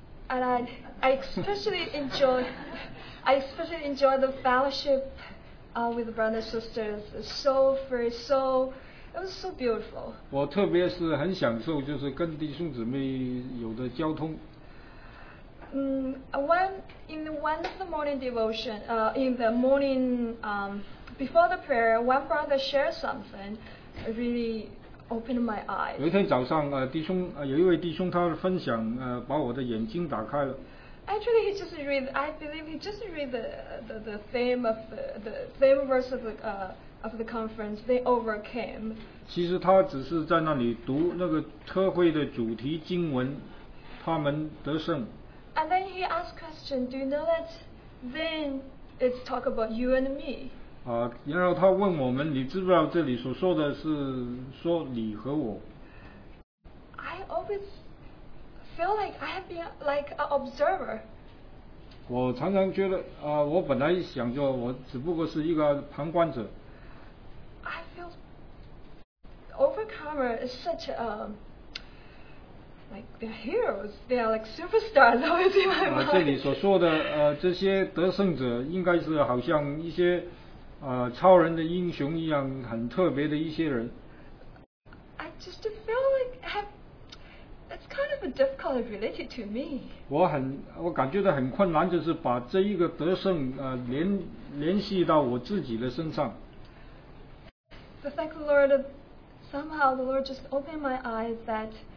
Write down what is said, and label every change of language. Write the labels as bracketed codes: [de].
[en] And I especially enjoy the fellowship with brothers and sisters. It was so beautiful. [zh] 我特别是很享受，就是跟弟兄姊妹有的交通。 [en] One of the morning devotion, in the morning, before the prayer, one brother shared something really opened my eyes. [zh] 有一天早上，有一位弟兄他分享，把我的眼睛打开了。 [en] Actually, I believe he just read the theme of the theme verse of the conference. They overcame. [zh] 其实他只是在那里读那个特会的主题经文，他们得胜。 [en] And then he asked question, do you know that then it's talk about you and me? [zh] 啊，然后他问我们，你知不知道这里所说的是说你和我？ [en] I always feel like I have been like an observer. [zh] 我常常觉得，我本来想着我只不过是一个旁观者。 [en] I feel overcomer is such a like they're heroes, they are like superstars always in my mind. [zh] 啊，这里所说的这些得胜者应该是好像一些超人的英雄一样，很特别的一些人。 [en] I just feel like it's kind of a difficult related to me. [zh] 我感觉到很困难，就是把这一个得胜联系到我自己的身上。 [en] But thank the Lord, somehow the Lord just opened my eyes that.